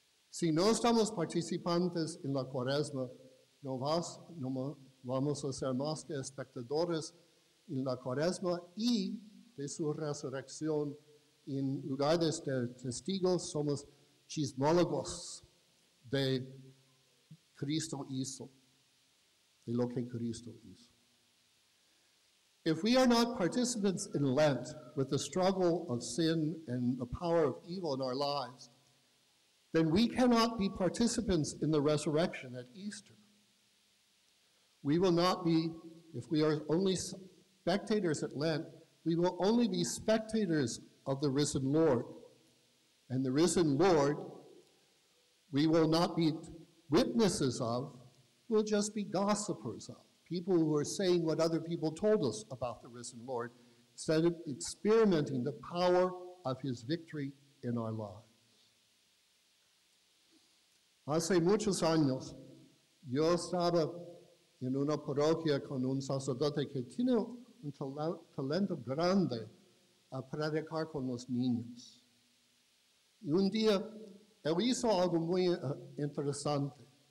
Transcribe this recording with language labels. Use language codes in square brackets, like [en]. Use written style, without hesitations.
[es] Si no estamos participantes en la cuaresma, no vamos a ser más que espectadores en la cuaresma y de su resurrección. En lugar de ser testigos, somos chismólogos de Cristo hizo, de lo que Cristo hizo. [en] If we are not participants in Lent with the struggle of sin and the power of evil in our lives, then we cannot be participants in the resurrection at Easter. We will not be, if we are only spectators at Lent, we will only be spectators of the risen Lord. And the risen Lord, we will not be witnesses of, we'll just be gossipers of. People who are saying what other people told us about the risen Lord, instead of experimenting the power of his victory in our lives. [es] Hace muchos años, yo estaba en una parroquia con un sacerdote que tiene un talento grande a predicar con los niños. Y un día, él hizo algo muy interesante.